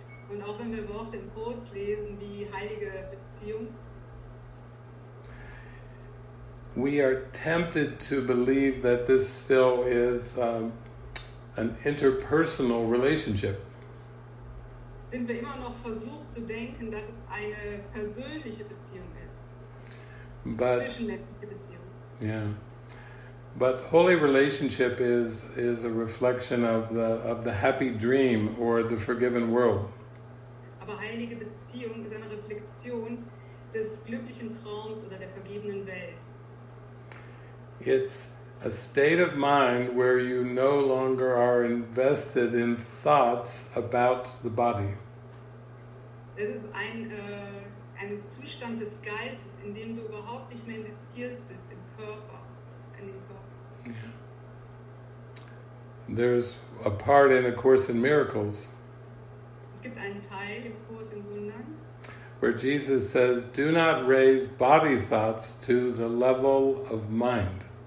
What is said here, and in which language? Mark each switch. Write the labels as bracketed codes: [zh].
[de] Und auch wenn wir Worte im Kurs lesen wie heilige Beziehung. [en] We are tempted to believe that this still is an interpersonal relationship. [de] Sind wir immer noch versucht zu denken, dass es eine persönliche Beziehung ist. [en] But, [de] zwischenmenschliche Beziehung. [en] Yeah. But holy relationship is a reflection of the happy dream or the forgiven world. [de] Aber heilige Beziehung ist eine Reflexion des glücklichen Traums oder der vergebenen Welt. [en] It's a state of mind where you no longer are invested in thoughts about the body. [de] Es ist ein Zustand des Geistes, in dem du überhaupt nicht mehr investiert bist im Körper, in den Körper. [en] There's a part in A Course in Miracles. [de] Es gibt einen Teil im Kurs in Wundern, [en] where Jesus says, "Do not raise body thoughts to the level of mind."